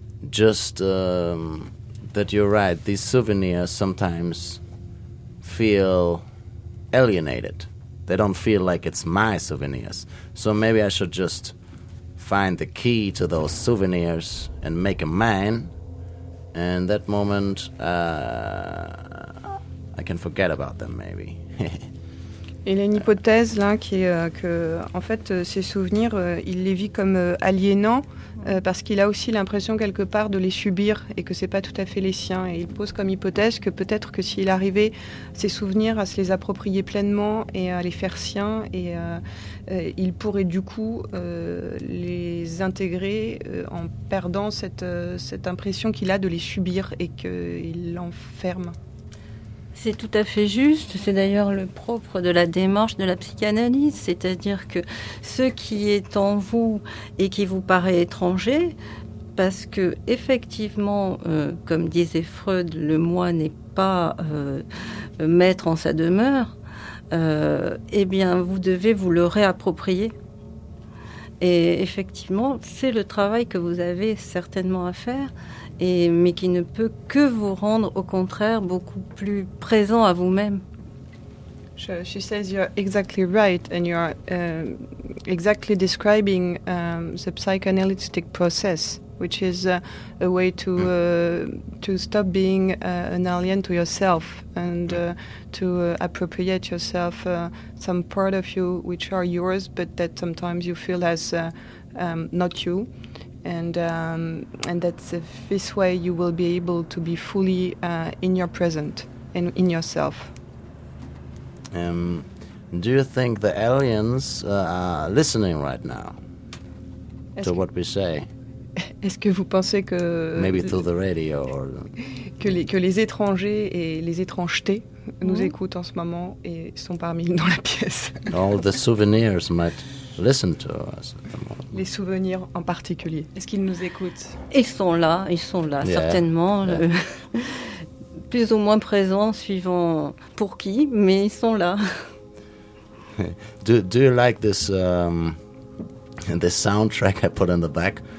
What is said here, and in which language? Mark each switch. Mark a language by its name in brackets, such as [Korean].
[English] Just that you're right, these souvenirs sometimes feel alienated. They don't feel like it's my souvenirs. So maybe I should just find the key to those souvenirs and make them mine. And that moment, I can forget about them maybe. [French] Il y a une hypothèse là qui est que en fait ses souvenirs il les vit comme aliénants parce qu'il a aussi l'impression quelque part de les subir et que c'est pas tout à fait les siens, et il pose comme hypothèse que peut-être que s'il arrivait ses souvenirs à se les approprier pleinement et à les faire siens, et il pourrait du coup les intégrer en perdant cette impression qu'il a de les subir et qu'il l'enferme. C'est tout à fait juste, c'est d'ailleurs le propre de la démarche de la psychanalyse, c'est-à-dire que ce qui est en vous et qui vous paraît étranger, parce que effectivement, comme disait Freud, le moi n'est pas maître en sa demeure, eh bien vous devez vous le réapproprier. Et effectivement, c'est le travail que vous avez certainement à faire, mais qui ne peut que vous rendre, au contraire, beaucoup plus présent à vous-même. [English] She says you're exactly right, and you're exactly describing the psychoanalytic process, which is a way to stop being an alien to yourself and to appropriate yourself some part of you which are yours, but that sometimes you feel as not you. And that's this way you will be able to be fully in your present and in yourself. Do you think the aliens are listening right now to what we say? [French] Est-ce que vous pensez que [English] maybe through the radio or [French] que les étrangers et les étrangetés nous écoutent en ce moment et sont parmi nous dans la pièce? [English] All the souvenirs might listen to us. [French] Les souvenirs en particulier. Est-ce qu'ils nous écoutent? Ils sont là, yeah. Certainement. Yeah. Plus ou moins présents, suivant pour qui, mais ils sont là. [English] Do you like this this soundtrack I put in the back?